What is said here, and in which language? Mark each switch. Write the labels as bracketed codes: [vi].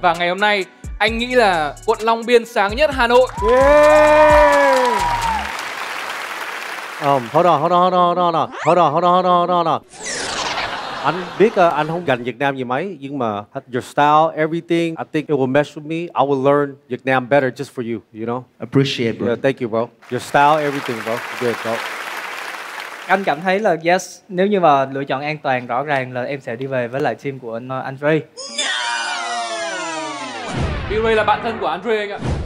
[vi] Và ngày hôm nay anh nghĩ là quận Long Biên sáng nhất Hà Nội. [en] Yeah. Hold on, hold on, hold on, hold on, hold on, hold on, hold on, hold on. [vi] Anh biết anh không gần Việt Nam gì mấy, nhưng mà [en] your style, everything, I think it will mesh with me. I will learn Việt Nam better just for you, you know? Appreciate, bro. Yeah, thank you, bro. Your style, everything, bro. Good, bro. [vi] Anh cảm thấy là yes, nếu như mà lựa chọn an toàn rõ ràng là em sẽ đi về với lại team của anh Andre. [en] No! [vi] Billy là bạn thân của Andre anh ạ.